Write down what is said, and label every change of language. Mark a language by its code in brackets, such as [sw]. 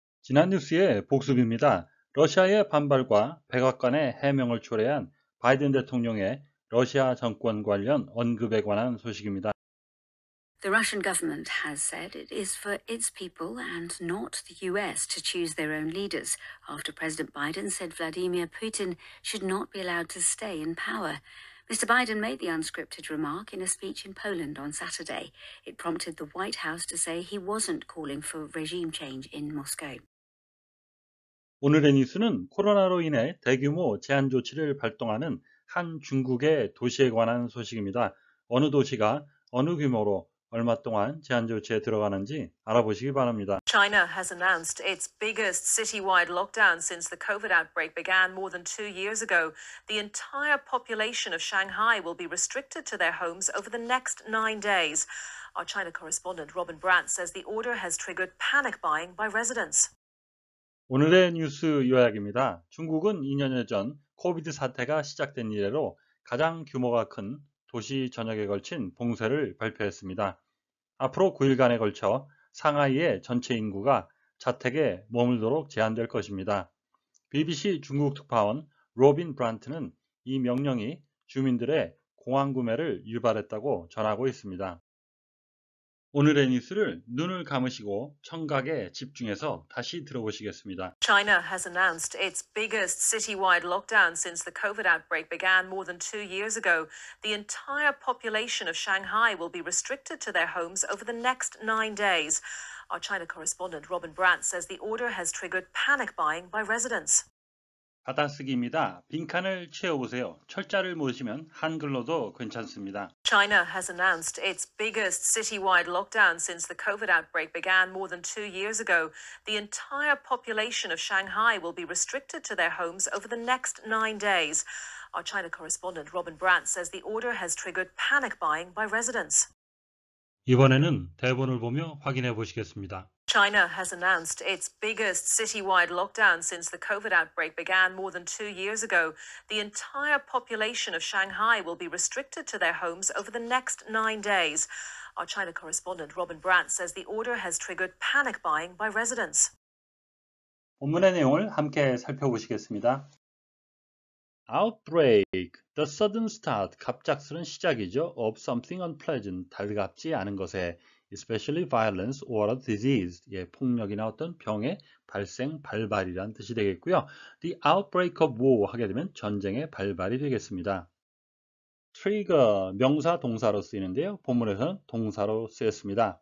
[ko] 지난 뉴스의 복습입니다. 러시아의 반발과 백악관의 해명을 초래한 바이든 대통령의 러시아 정권 관련 언급에 관한 소식입니다. [en] The Russian government has said it is for its people and not the US to choose their own leaders after President Biden said Vladimir Putin should not be allowed to stay in power. Mr. Biden made the unscripted remark in a speech in Poland on Saturday. It prompted the White House to say he wasn't calling for regime change in Moscow. [ko] 오늘의 뉴스는 코로나로 인해 대규모 제한 조치를 발동하는 한 중국의 도시에 관한 소식입니다. 어느 도시가 어느 규모로 얼마 동안 제한 조치에 들어가는지 알아보시기 바랍니다. [en] China has announced its biggest citywide lockdown since the COVID outbreak began more than 2 years ago. The entire population of Shanghai will be restricted to their homes over the next 9 days. Our China correspondent Robin Brandt says the order has triggered panic buying by residents. [ko] 오늘의 뉴스 요약입니다. 중국은 2년여 전 코비드 사태가 시작된 이래로 가장 규모가 큰 도시 전역에 걸친 봉쇄를 발표했습니다. 앞으로 9일간에 걸쳐 상하이의 전체 인구가 자택에 머물도록 제한될 것입니다. BBC 중국 특파원 로빈 브란트는 이 명령이 주민들의 공황 구매를 유발했다고 전하고 있습니다. 오늘의 뉴스를 눈을 감으시고 청각에 집중해서 다시 들어보시겠습니다. [en] China has announced its biggest citywide lockdown since the COVID outbreak began more than 2 years ago. The entire population of Shanghai will be restricted to their homes over the next 9 days. Our China correspondent Robin Brandt says the order has triggered panic buying by residents. [ko] 받아쓰기입니다. 빈칸을 채워보세요. 철자를 모으시면 한글로도 괜찮습니다. [en] China has announced its biggest citywide lockdown since the COVID outbreak began more than 2 years ago. The entire population of Shanghai will be restricted to their homes over the next 9 days. Our China correspondent Robin Brandt says the order has triggered panic buying by residents. [ko] 이번에는 대본을 보며 확인해 보시겠습니다. [en] China has announced its biggest citywide lockdown since the COVID outbreak began more than 2 years ago. The entire population of Shanghai will be restricted to their homes over the next 9 days. Our China correspondent Robin Brandt says the order has triggered panic buying by residents. [ko] 본문의 내용을 함께 살펴보시겠습니다. [en] Outbreak, the sudden start, [ko] 갑작스런 시작이죠. [en] Of something unpleasant, [ko] 달갑지 않은 것에. [en] Especially violence or a disease, [ko] 예, 폭력이나 어떤 병의 발생, 발발이란 뜻이 되겠고요. [en] The outbreak of war [ko] 하게 되면 전쟁의 발발이 되겠습니다. Trigger, 명사, 동사로 쓰이는데요. 본문에서는 동사로 쓰였습니다.